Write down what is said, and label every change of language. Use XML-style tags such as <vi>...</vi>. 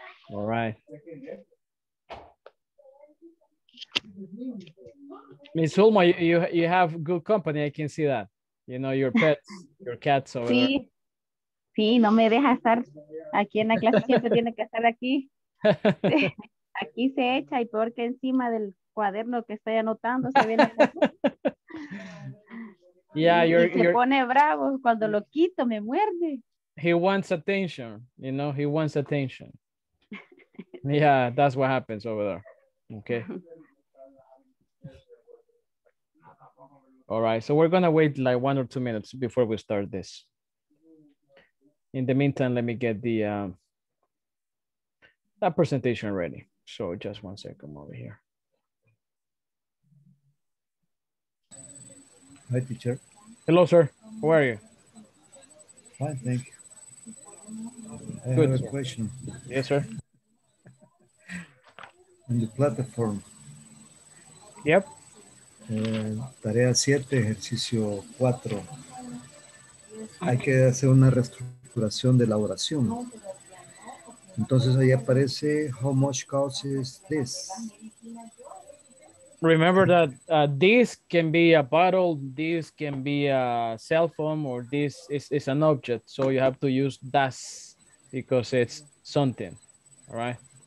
<en>All right. Miss Ulma, you have good company. I can see that. You know, your pets, your cats over there.</en> <es>Sí, no me deja estar aquí en la clase, siempre tiene que estar aquí. Aquí se echa y peor que encima del cuaderno que estoy anotando. Se viene.</es> <en>Yeah,</en> <es>se pone bravo cuando lo quito, me muerde.</es> <en>He wants attention, you know, he wants attention. Yeah, that's what happens over there. Okay. All right, so we're going to wait like 1 or 2 minutes before we start this. In the meantime, let me get the that presentation ready. So just 1 second over here. Hi, teacher. Hello, sir. Who are you? Fine, thank you. Good. I have a question. Yes, sir. On the platform. Yep.</en> <es>Tarea 7, ejercicio 4. Hay que hacer una reestructuración de la oración. Entonces ahí aparece,</es> <en>how much cost is this? Remember that this can be a bottle, this can be a cell phone, or this is an object. So you have to use das because it's something, all right?</en>